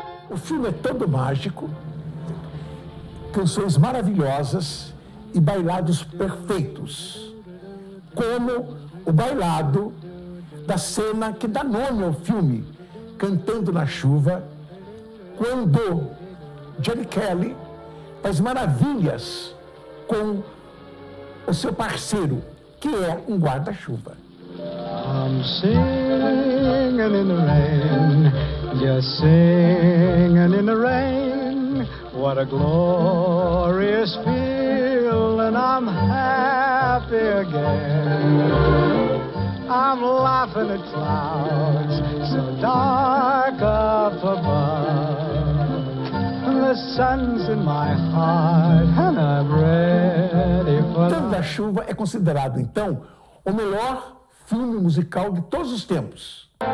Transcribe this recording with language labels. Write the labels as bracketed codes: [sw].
[pt] O filme é todo mágico, canções maravilhosas e bailados perfeitos, como o bailado da cena que dá nome ao filme, Cantando na Chuva, quando Gene Kelly faz maravilhas com o seu parceiro, que é um guarda-chuva. [en] I'm singing in the rain, just singing in the rain. What a glorious feeling, I'm happy again. I'm laughing at clouds so dark up above. The sun's in my heart and I'm ready for love. [pt] Cantando na Chuva é considerado, então, o melhor filme musical de todos os tempos.